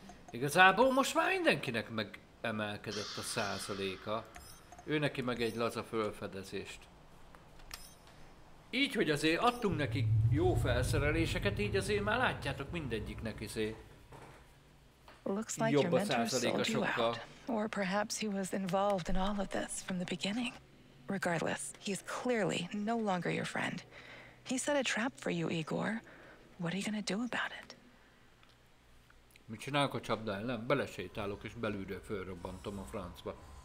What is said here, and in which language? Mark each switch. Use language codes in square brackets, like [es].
[hu] Igazából most már mindenkinek megemelkedett a százaléka. Ő neki meg egy laza fölfedezést. Így, hogy azért adtunk neki jó felszereléseket, így azért már látjátok mindegyiknek azért. [en] Looks like your mentor sold you out, or perhaps he was involved in all of this from the beginning. Regardless, he's clearly no longer your friend. He set a trap for you, Igor. What are you gonna do about it? [hu] Mit csinálok a csapda ellen? Belesétálok és belülről fölrobbantom a francba.